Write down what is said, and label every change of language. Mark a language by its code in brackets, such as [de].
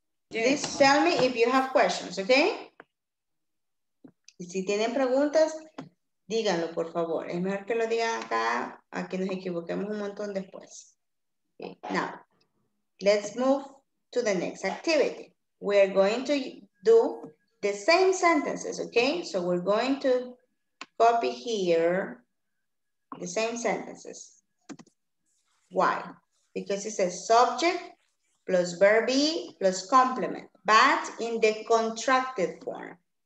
[en] Please tell me if you have questions, okay? [es] Si tienen preguntas, díganlo, por favor. Es mejor que lo digan acá, a que nos equivoquemos un montón después. [en] Okay. Now, let's move to the next activity. We're going to do the same sentences, okay? So we're going to copy here the same sentences. Why? Because it says subject plus verb be plus complement, but in the contracted form.